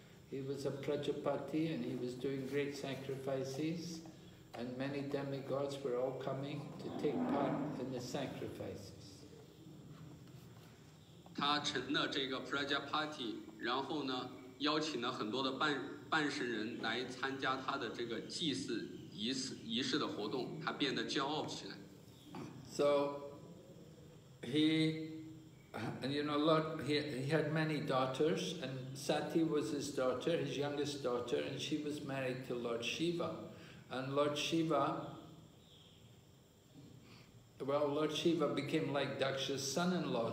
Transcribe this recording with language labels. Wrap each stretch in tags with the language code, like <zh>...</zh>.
<en>He was a Prajapati and he was doing great sacrifices, and many demigods were all coming to take part in the sacrifices.</en> <zh>他成了这个Prajapati，然后呢，邀请了很多的半神人来参加他的这个祭祀仪式的活动，他变得骄傲起来。</zh> <en>So, he, and you know, Lord, he had many daughters, and Sati was his daughter, his youngest daughter, and she was married to Lord Shiva. And Lord Shiva, well, Lord Shiva became like Daksha's son-in-law.</en>